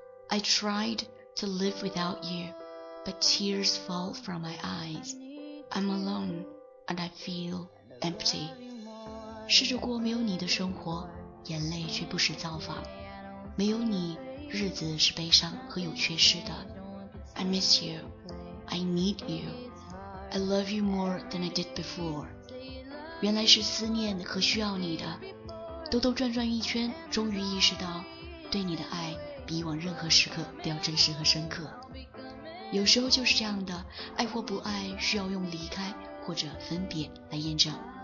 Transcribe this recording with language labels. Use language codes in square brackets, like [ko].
[en] I tried to live without you, but tears fall from my eyes. I'm alone and I feel empty. [zh] 试着过没有你的生活，眼泪却不时造访。没有你，日子是悲伤和有缺失的。 [en] I miss you. I need you. I love you more than I did before. [zh] 原来是思念和需要你的，兜兜转转一圈，终于意识到对你的爱比以往任何时刻都要真实和深刻。有时候就是这样的，爱或不爱需要用离开或者分别来验证。